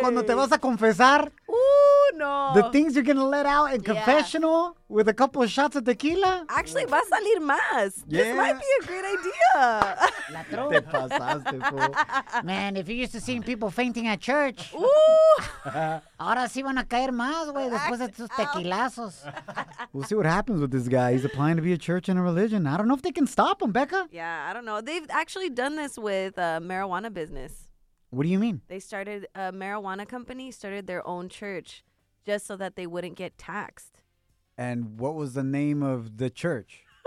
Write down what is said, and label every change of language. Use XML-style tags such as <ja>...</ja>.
<es>Cuando te vas a confesar. No.</es> <en>The things you're going to let out in confessional yeah. with a couple of shots of tequila. Actually,</en> <es>va a salir más.</es> <en>Yeah. This might be a great idea. La tro.</en> <es>Te pasaste, po.</es> <en>Man, if you're used to seeing people fainting at church. Ooh.</en> <es>Ahora sí van a caer más, güey, después de tus tequilazos.</es> <en>We'll see what happens with this guy. He's applying to be a church and a religion. I don't know if they can stop him, Becca. Yeah, I don't know. They've actually done this with marijuana business. What do you mean? They started a marijuana company, started their own church. Just so that they wouldn't get taxed. And what was the name of the church?</en>